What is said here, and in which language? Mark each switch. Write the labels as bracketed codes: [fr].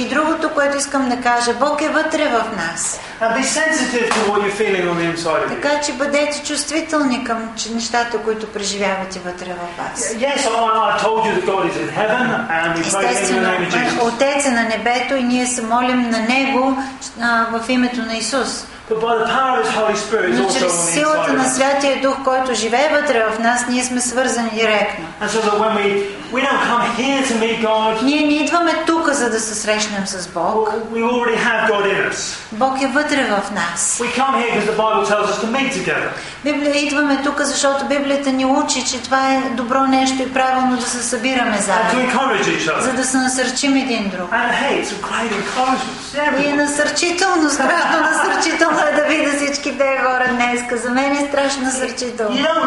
[bg] И другото, което искам да кажа, Бог е вътре в нас. [en] And be sensitive to what you're feeling on the inside of you. [bg] Така че бъдете чувствителни към нещата, които преживявате вътре в вас. [en] Yes, I told you that God is in heaven and we pray in the name of Jesus. [bg] Отец е на небето и ние се молим на него в името на Исус. [en] But by the power of His Holy Spirit, also on the inside. [bg] Но чрез силата на Святия Дух, който живее вътре в нас, ние сме свързани директно. [en] And so that when we don't come here to meet God. [bg] Ние не идваме тук, за да се срещнем с Бог. [en] We already have God in us. [bg] Бог е вътре в нас. [en] We come here because the Bible tells us to meet together. [bg] Библията идваме тук, защото Библията ни учи, че това е добро нещо и правилно да се събираме заедно. [en] And to encourage each other. [bg] За да се насърчим един друг. [en] And hey, it's a great encouragement. [bg] И е насърчително, страшно насърчително. Това е да видя всички тези хора днеска. За мен е страшно насърчително.